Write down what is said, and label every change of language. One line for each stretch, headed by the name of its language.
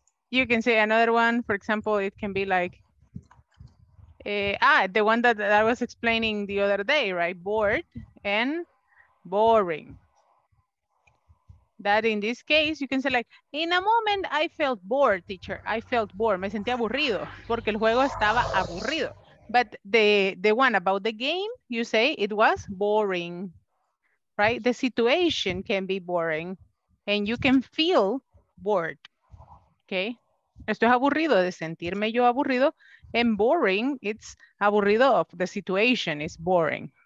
English: You can say another one. For example, it can be like, the one that I was explaining the other day, right? Bored and boring. That in this case, you can say like, in a moment, I felt bored, teacher. I felt bored.
Spanish: Me sentí aburrido porque el juego estaba aburrido.
English: But the one about the game, you say it was boring, right? The situation can be boring. And you can feel bored. Okay.
Spanish: Esto es aburrido de sentirme yo aburrido.
English: And boring, it's aburrido of the situation is boring.